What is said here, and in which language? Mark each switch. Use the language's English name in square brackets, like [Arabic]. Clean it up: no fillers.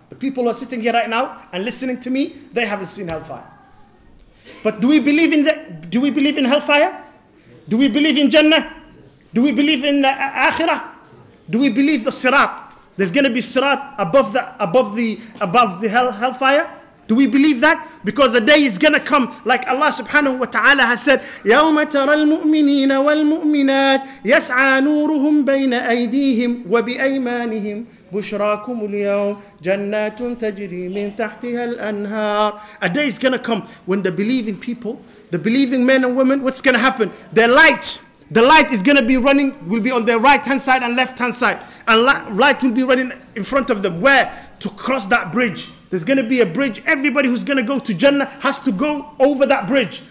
[English] The people who are sitting here right now and listening to me, they haven't seen hellfire. But do we believe in hellfire? Do we believe in Jannah? Do we believe in Akhirah? Do we believe the Sirat? There's going to be Sirat above the hellfire? Do we believe that? Because the day is going to come, like Allah subhanahu wa ta'ala has said, [Arabic] يَوْمَ تَرَى الْمُؤْمِنِينَ وَالْمُؤْمِنَاتِ يَسْعَى نُورُهُمْ بَيْنَ أَيْدِيهِمْ وَبِأَيْمَانِهِمْ بُشْرَاكُمْ الْيَوْمِ جَنَّاتٌ تَجْرِي مِنْ تَحْتِهَا الْأَنْهَارِ. [English] A day is going to come when the believing people, the believing men and women, what's going to happen? The light is going to be running, will be on their right hand side and left hand side. And light will be running in front of them. Where? To cross that bridge. There's going to be a bridge. Everybody who's going to go to Jannah has to go over that bridge.